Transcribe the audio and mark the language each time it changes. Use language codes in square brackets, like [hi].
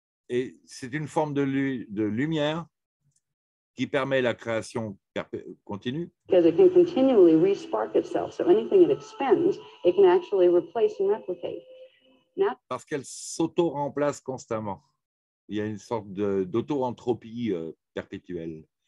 [fr] Et c'est une forme de lumière qui permet la création continue. [en] Because it can continually re-spark itself, so anything it expends, it can actually replace and replicate. [fr] Now, parce qu'elle s'auto-remplace constamment. Il y a une sorte d'auto-entropie perpétuelle.